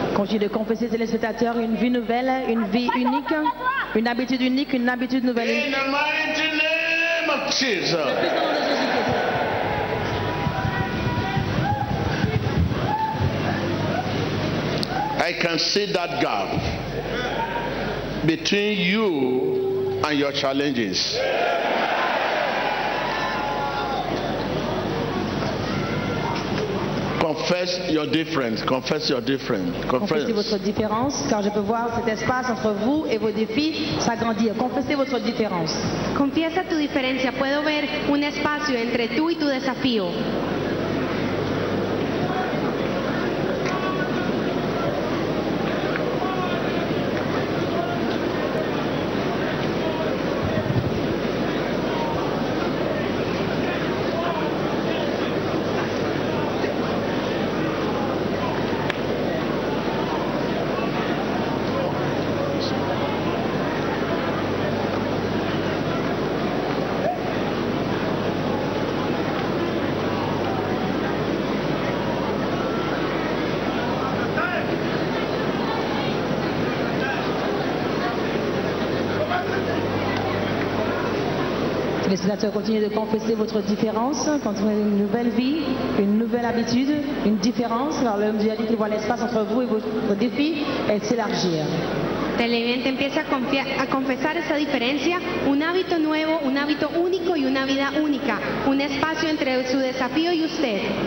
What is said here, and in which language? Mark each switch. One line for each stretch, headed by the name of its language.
French: De confesser aux spectateurs une vie nouvelle, une vie unique, une habitude nouvelle.
English: In the mighty name of Jesus. I can see that gap between you and your challenges. Con- Confess your difference. Confess your difference.
French: Confessez votre différence, car je peux voir cet espace entre vous et vos défis s'agrandir. Confessez votre différence.
Spanish: Confiesa tu diferencia. Puedo ver un espacio entre tú y tu desafío.
French: Continuez de confesser votre différence, continuez une nouvelle vie, une nouvelle habitude, une différence. Alors l'homme du qui voit l'espace entre vous et votre défi est s'élargir.
Spanish: Televidente empieza a confesar esa diferencia, un hábito nuevo, un hábito único y una vida única, un espacio entre su desafío y usted.